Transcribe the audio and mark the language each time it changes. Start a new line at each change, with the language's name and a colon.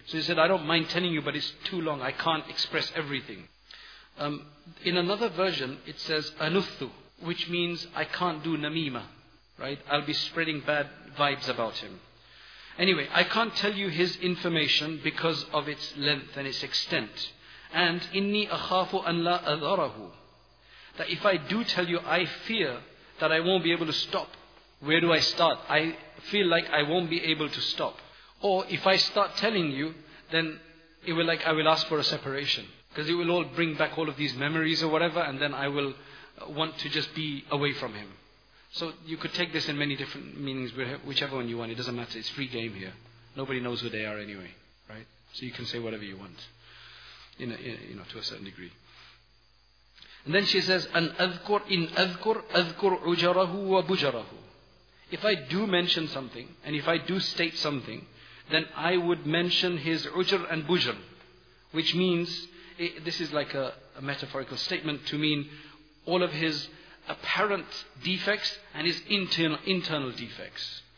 English: So he said, I don't mind telling you, but it's too long. I can't express everything. In another version, it says, أنثو, which means I can't do namima. Right? I'll be spreading bad vibes about him. Anyway, I can't tell you his information because of its length and its extent.
Arabic: And إِنِّي أَخَافُ أَنْ لَا أَذَرَهُ.
English: That if I do tell you, I fear that I won't be able to stop. Where do I start? I feel like I won't be able to stop. Or if I start telling you, then it will like I will ask for a separation. Because it will all bring back all of these memories or whatever, and then I will want to just be away from him. So you could take this in many different meanings, whichever one you want. It doesn't matter. It's free game here. Nobody knows who they are anyway, right? So you can say whatever you want, to a certain degree. And then she says,
Arabic: "An أذكر إن أذكر أذكر عجره وبجره."
English: If I do mention something, and if I do state something, then I would mention his ujr and bujr, which means, this is like a metaphorical statement to mean all of his apparent defects and his internal defects.